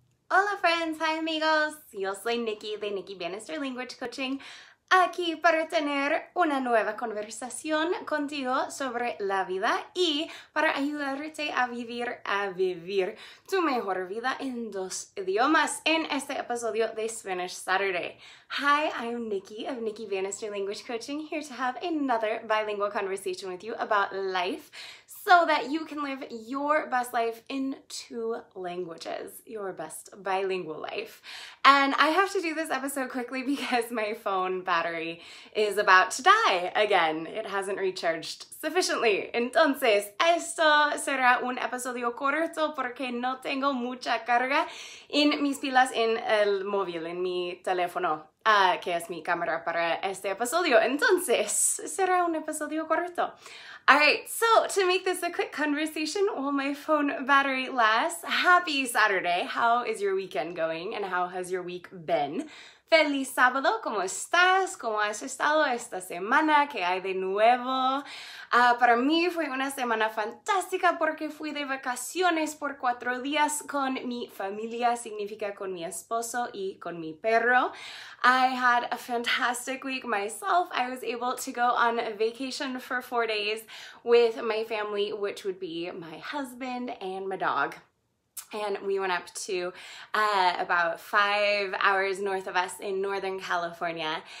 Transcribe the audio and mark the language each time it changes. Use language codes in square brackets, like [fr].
[es] Hola [en] friends, hi [es] amigos, yo soy Nikki de Nikki Bannister Language Coaching, aquí para tener una nueva conversación contigo sobre la vida y para ayudarte a vivir tu mejor vida en dos idiomas en este episodio de Spanish Saturday. [en] Hi, I'm Nikki of Nikki Bannister Language Coaching, here to have another bilingual conversation with you about life, so that you can live your best life in two languages, your best bilingual life. And I have to do this episode quickly because my phone battery is about to die again. It hasn't recharged sufficiently. [es] Entonces, esto será un episodio corto porque no tengo mucha carga en mis pilas en el móvil, en mi teléfono, que es mi cámara para este episodio. Entonces, será un episodio corto. [en] All right, so to make this a quick conversation while my phone battery lasts, happy Saturday. How is your weekend going and how has your week been? [es] Feliz sábado, ¿cómo estás? ¿Cómo has estado esta semana? ¿Qué hay de nuevo? Para mí fue una semana fantástica porque fui de vacaciones por 4 días con mi familia, significa con mi esposo y con mi perro. [en] I had a fantastic week myself. I was able to go on a vacation for 4 days with my family, which would be my husband and my dog. And we went up to about 5 hours north of us in Northern California.